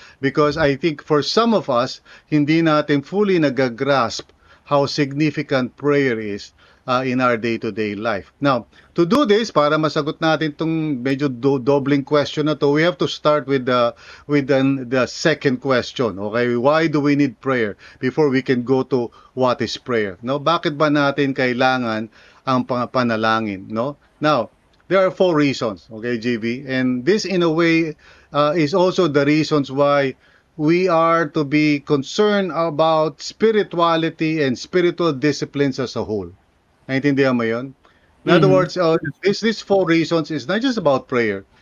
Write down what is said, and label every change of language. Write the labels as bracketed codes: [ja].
[en] Because I think for some of us, [tl] hindi natin fully nag-grasp [en] how significant prayer is in our day-to-day life. Now, to do this, [tl] para masagot natin itong medyo doubling question na to, [en] we have to start with the second question. Okay, why do we need prayer before we can go to what is prayer? [tl] No, bakit ba natin kailangan ang panalangin? [en] No? Now, there are four reasons, okay, JB? And this, in a way, is also the reasons why we are to be concerned about spirituality and spiritual disciplines as a whole. [tl] Naintindihan mo yun? [en] In other words, these four reasons is not just about prayer.